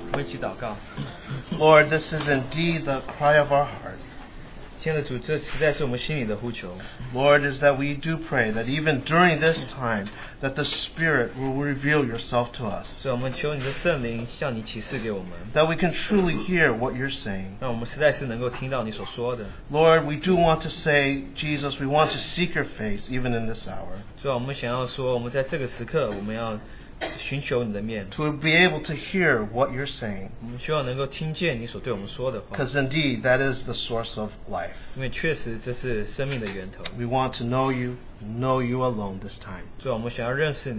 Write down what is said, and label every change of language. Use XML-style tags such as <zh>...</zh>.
<en>This is indeed the cry of our heart.</en> <zh>天父主, 这实在是我们心里的呼求。</zh> <en>Lord, is that we do pray that even during this time, that the Spirit will reveal yourself to us.</en> <zh>是我们求你的圣灵向你启示给我们。</zh> <en>That we can truly hear what you're saying.</en> <zh>让我们实在是能够听到你所说的。</zh> <en>Lord, we do want to say, Jesus, we want to seek your face even in this hour.</en> <zh>是我们想要说我们在这个时刻我们要</zh> <en>to be able to hear what you're saying. Because indeed, that is the source of life. We want to know you alone this time.</en>